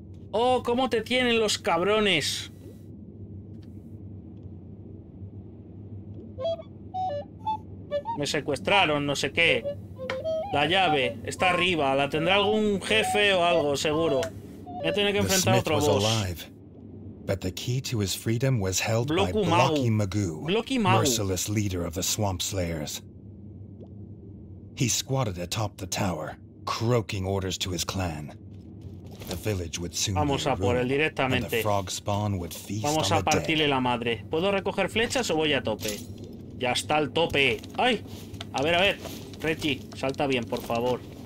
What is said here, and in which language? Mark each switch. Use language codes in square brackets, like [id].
[es] ¡Oh, cómo te tienen los cabrones! Me secuestraron, no sé qué. La llave está arriba. La tendrá algún jefe o algo, seguro. Me tiene que enfrentar otro boss. [en] Alive, but the key to his freedom was held Bloku by Blocky Magoo, Blocky Magoo, merciless leader of the Swamp Slayers. He squatted atop the tower, croaking orders to his clan. [es] Vamos a por él directamente. Vamos a partirle la madre. ¿Puedo recoger flechas o voy a tope? Ya está al tope. ¡Ay! A ver, Reggie, salta bien, por favor.